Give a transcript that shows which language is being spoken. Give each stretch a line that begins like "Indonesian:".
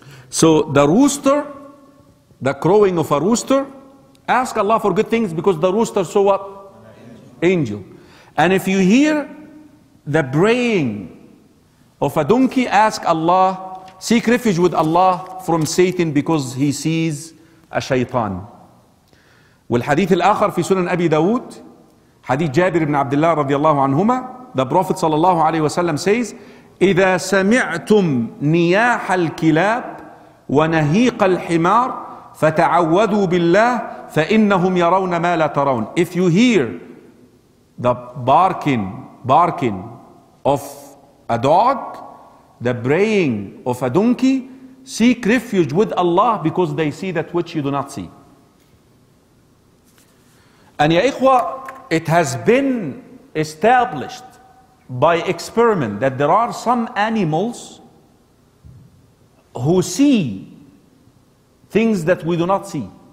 English: So the rooster, the crowing of a rooster, ask Allah for good things, because the rooster, so what? Angel. And if you hear the braying of a donkey, ask Allah, seek refuge with Allah from Satan, because he sees a shaitan.
Arabic: والحديث الآخر في سنن أبي داود حديث جابر بن عبد الله رضي الله عنهما
English: the prophet
Arabic: صلى الله عليه وسلم
English: says
Arabic: إذا سمعتم نياح الكلاب ونهيق الحمار فتعوذوا بالله فإنهم يرون ما لا ترون.
English: If you hear the barking of a dog, the braying of a donkey, seek refuge with Allah, because they see that which you do not see. And ya ikhwa, it has been established by experiment that there are some animals who see things that we do not see.